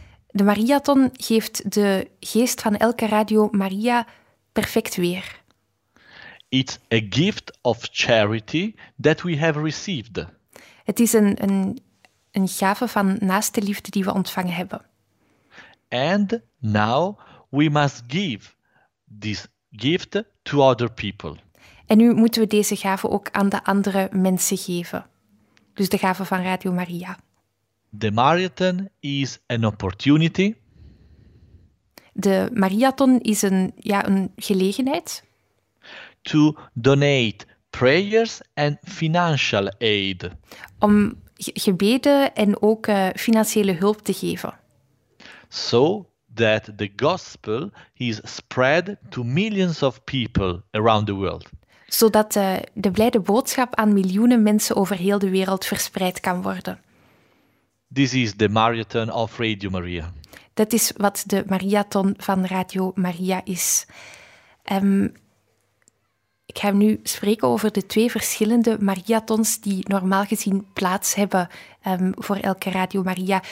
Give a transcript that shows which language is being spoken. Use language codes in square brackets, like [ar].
[nl] De Mariathon geeft de geest van elke Radio Maria perfect weer. [en] It's a gift of charity that we have received. [nl] Het is een gave van naaste liefde die we ontvangen hebben. [en] And now we must give this gift to other people. [nl] En nu moeten we deze gave ook aan de andere mensen geven. Dus de gave van Radio Maria. [en] The Mariathon is an opportunity. [nl] De Mariathon is een gelegenheid. [en] To donate prayers and financial aid. [nl] Om gebeden en ook financiële hulp te geven. [en] So that the gospel is spread to millions of people around the world. [nl] Zodat de blijde boodschap aan miljoenen mensen over heel de wereld verspreid kan worden. [en] This is the Mariathon of Radio Maria. [nl] Dat is wat de Mariathon van Radio Maria is. Ik ga nu spreken over de twee verschillende Mariathons die normaal gezien plaats hebben voor elke Radio Maria.